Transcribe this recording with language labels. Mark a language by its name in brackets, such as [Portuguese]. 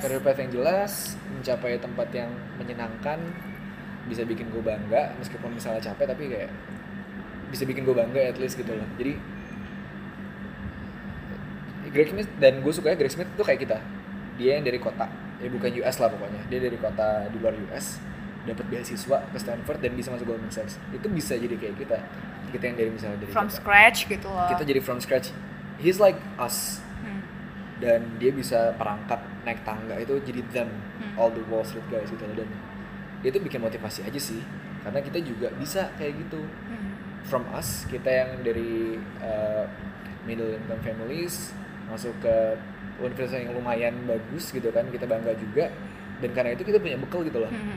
[Indonesian] karir path yang jelas, mencapai tempat yang menyenangkan, bisa bikin gue bangga meskipun misalnya capek, tapi kayak bisa bikin gue bangga at least gitu loh. Jadi Greg Smith, dan gue sukanya Greg Smith tuh kayak kita, dia yang dari kota, ya bukan US lah pokoknya, dia dari kota di luar US dapat beasiswa ke Stanford dan bisa masuk Goldman Sachs. Itu bisa jadi kayak kita yang dari misalnya dari from kota. Scratch gitu loh, [English] kita jadi from scratch, he's like us. [Indonesian] Dan dia bisa perangkat naik tangga itu jadi [English] them, all the Wall Street guys [Indonesian] gitu loh. Dan itu bikin motivasi aja sih karena kita juga bisa kayak gitu. From us, kita yang dari [English] middle income families [Indonesian] masuk ke universitas yang lumayan bagus gitu kan, kita bangga juga, dan karena itu kita punya bekal gitu loh.